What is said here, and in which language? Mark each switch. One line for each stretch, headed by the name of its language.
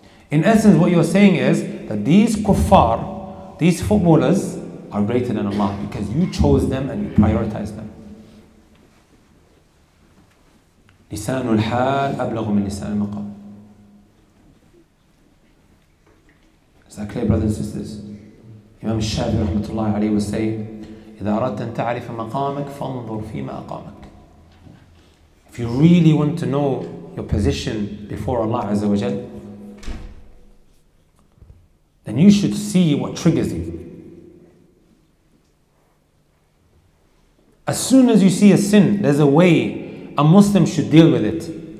English: In essence, what you're saying is that these kuffar, these footballers, are greater than Allah because you chose them and you prioritize them.
Arabic: Lisanul hal ablagh min lisan al-maqam.
English: Is that clear, brothers and sisters? Imam al-Shafi'i rahmatullahi alayhi was saying,
Arabic: إذا أردت أن تعرف مقامك فانظر فيما أقامك.
English: If you really want to know your position before Allah Azza wa Jal, then you should see what triggers you. As soon as you see a sin, there's a way a Muslim should deal with it.